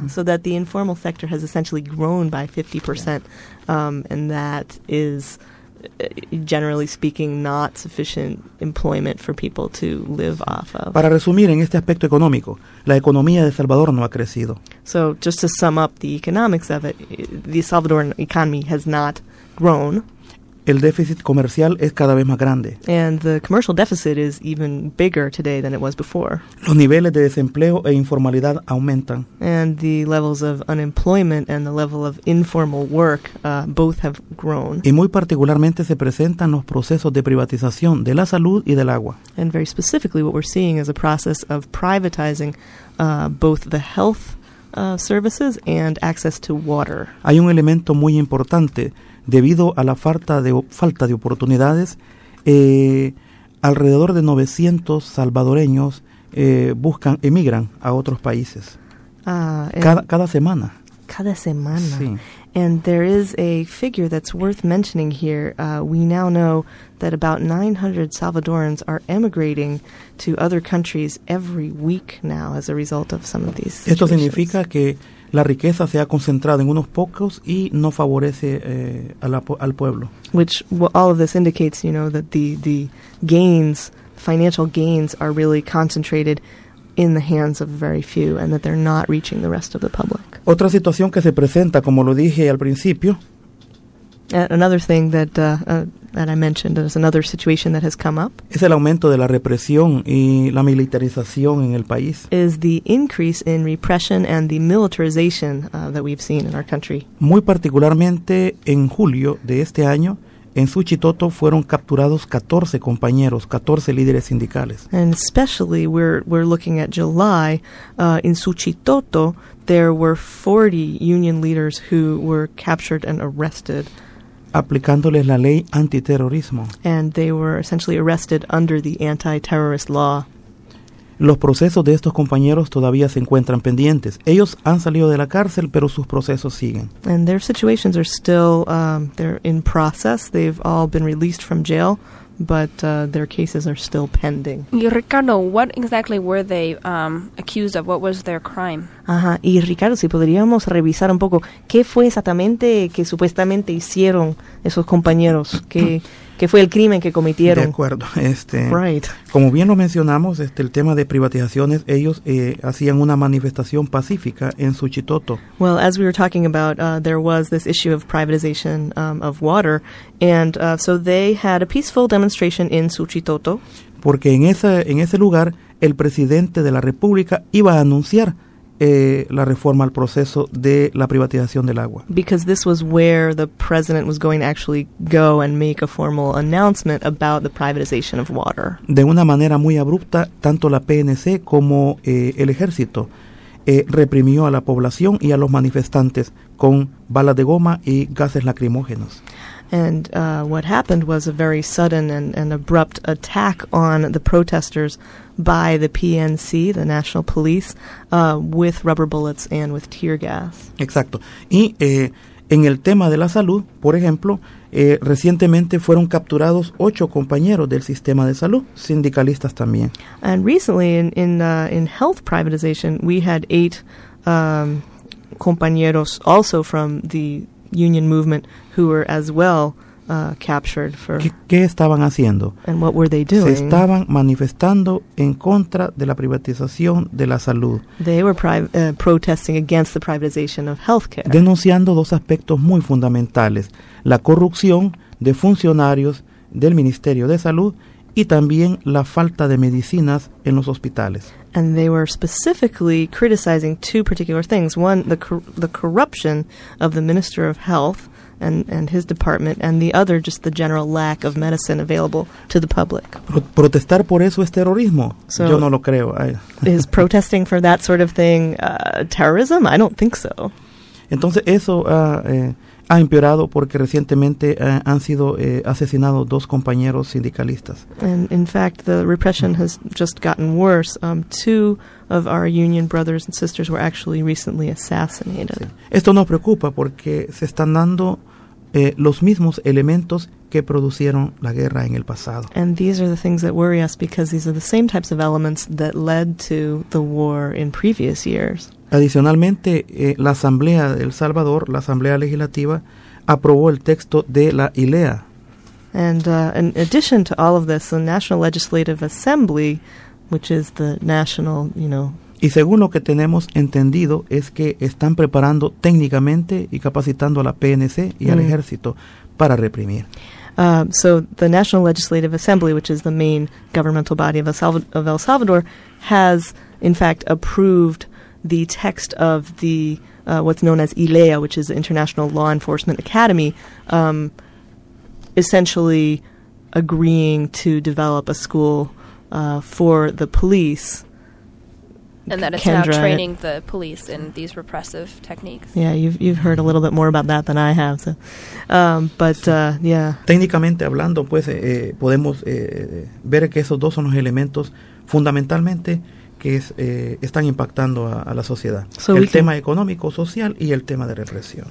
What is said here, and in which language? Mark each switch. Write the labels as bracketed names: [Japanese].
[English] Mm. So that the informal sector has essentially grown by 50%. Yeah. And that is, generally speaking, not sufficient employment for people to live off of. [Spanish] Para resumir, en este aspecto económico, la economía de Salvador no ha crecido. [English] So just to sum up the economics of it, the Salvadoran economy has not grown. [Spanish] El déficit comercial es cada vez más grande. [English] And the commercial deficit is even bigger today than it was before. [Spanish] Los niveles de desempleo e informalidad aumentan. [English] And the levels of unemployment and the level of informal work both have grown. [Spanish] Y muy particularmente se presentan los procesos de privatización de la salud y del agua. [English] And very specifically what we're seeing is a process of privatizing both the health services and access to water. [Spanish] Hay un elemento muy importante. Debido a la falta de oportunidades, alrededor de 900 salvadoreños emigran a otros países. Cada semana. Cada semana. Sí. [English] And there is a figure that's worth mentioning here. We now know that about 900 Salvadorans are emigrating to other countries every week now as a result of some of these situations. [Spanish] Esto significa que la riqueza se ha concentrado en unos pocos y no favorece al pueblo. [English] Which, well, all of this indicates, you know, that the gains, financial gains, are really concentrated in the hands of very few and that they're not reaching the rest of the public. [Spanish] Otra situación que se presenta, como lo dije al principio. [English] Another thing that that I mentioned is another situation that has come up. [Spanish] Es el aumento de la represión y la militarización en el país. [English] Is the increase in repression and the militarization that we've seen in our country. [Spanish] Muy particularmente en julio de este año, en Suchitoto fueron capturados 14 compañeros, 14 líderes sindicales. [English] And especially we're looking at July in Suchitoto. There were 40 union leaders who were captured and arrested. [Spanish] Aplicándoles la ley antiterrorismo. [English] And they were essentially arrested under the anti-terrorist law. [Spanish] Los procesos de estos compañeros todavía se encuentran pendientes. Ellos han salido de la cárcel, pero sus procesos siguen. [English] And their situations are still, they're in process. They've all been released from jail, but their cases are still pending. Y Ricardo, what exactly were they accused of? What was their crime? [Spanish] Ajá, y Ricardo, si podríamos revisar un poco, ¿qué fue exactamente que supuestamente hicieron esos compañeros? ¿Qué fue el crimen que cometieron? De acuerdo. [English] Right. [Spanish] Como bien lo mencionamos, el tema de privatizaciones, ellos hacían una manifestación pacífica en Suchitoto. [English] Well, as we were talking about, there was this issue of privatization of water, and so they had a peaceful demonstration in Suchitoto. [Spanish] Porque en ese lugar, el presidente de la República iba a anunciar la reforma al proceso de la privatización del agua. [English] Because this was where the president was going to actually go and make a formal announcement about the privatization of water. [Spanish] De una manera muy abrupta, tanto la PNC como el ejército reprimió a la población y a los manifestantes con balas de goma y gases lacrimógenos. [English] And what happened was a very sudden and abrupt attack on the protesters by the PNC, the National Police, with rubber bullets and with tear gas. [Spanish] Exacto. Y en el tema de la salud, por ejemplo, recientemente fueron capturados 8 compañeros del sistema de salud, sindicalistas también. [English] And recently, in health privatization, we had 8 compañeros also from the union movement who were as well captured for. [Spanish] ¿Qué estaban haciendo? [English] And what were they doing? [Spanish] Se estaban manifestando en contra de la privatización de la salud. [English] They were protesting against the privatization of healthcare. [Spanish] Denunciando dos aspectos muy fundamentales: la corrupción de funcionarios del Ministerio de Salud y también la falta de medicinas en los hospitales. [English] And they were specifically criticizing two particular things. One, the corruption of the Minister of Health and his department, and the other, just the general lack of medicine available to the public. [Spanish] Protestar por eso es terrorismo. [English] So [Spanish] yo no lo creo. [English] Is protesting for that sort of thing terrorism? I don't think so. [Spanish] Entonces eso ha empeorado porque recientemente han sido asesinados 2 compañeros sindicalistas. [English] And in fact, the repression has just gotten worse. 2 of our union brothers and sisters were actually recently assassinated. [Spanish] Sí. Esto nos preocupa porque se están dando los mismos elementos que producieron la guerra en el pasado. [English] And these are the things that worry us because these are the same types of elements that led to the war in previous years. [Spanish] Adicionalmente, la Asamblea de El Salvador, la Asamblea Legislativa, aprobó el texto de la ILEA. [English] And in addition to all of this, the National Legislative Assembly, which is the national, you know. [Spanish] Y según lo que tenemos entendido, es que están preparando técnicamente y capacitando a la PNC y al ejército para reprimir. [English] So the National Legislative Assembly, which is the main governmental body of El Salvador, has in fact approved the text of the what's known as ILEA, which is the International Law Enforcement Academy, essentially agreeing to develop a school for the police And that it's Kendra, now training the police in these repressive techniques. Yeah, you've heard a little bit more about that than I have. So. [Spanish] Técnicamente hablando, pues, podemos ver que esos dos son los elementos fundamentalmente que es, están impactando a la sociedad. [English] So [Spanish] el tema económico, social, y el tema de represión.